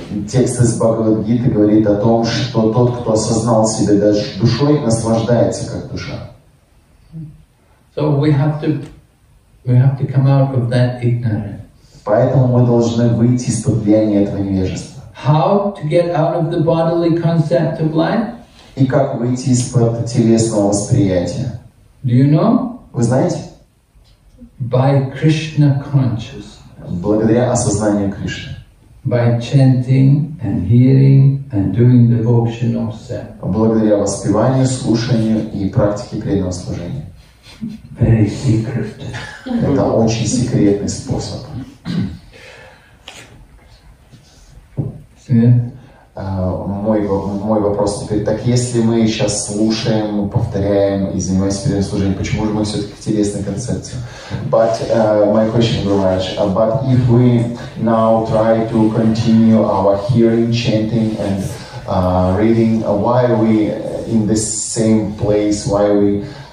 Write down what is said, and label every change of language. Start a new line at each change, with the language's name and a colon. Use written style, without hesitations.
Russian: Текст из Бхагавад-гиты говорит о том, что тот, кто осознал себя даже душой, наслаждается как душа.
English: So we have to come out of that ignorance.
Russian: Поэтому мы должны выйти из-под влияния этого невежества.
English: How to get out of the bodily concept of life?
Russian: И как выйти из-под телесного восприятия?
English: Do you know?
Russian: Вы знаете?
English: By Krishna consciousness.
Russian: Благодаря осознанию Кришны.
English: By chanting and hearing and doing devotional service.
Russian: Благодаря воспеванию, слушанию и практике преданного служения.
English: Very secret.
Russian: Это очень секретный способ.
English: Yeah.
Russian: Мой вопрос теперь, так если мы сейчас слушаем, повторяем и занимаемся передним служением, почему же мы все-таки телесной концепцией?
English: But my question, Гурмадж, but if we now try to continue our hearing, chanting and reading, why are we in the same place, why are we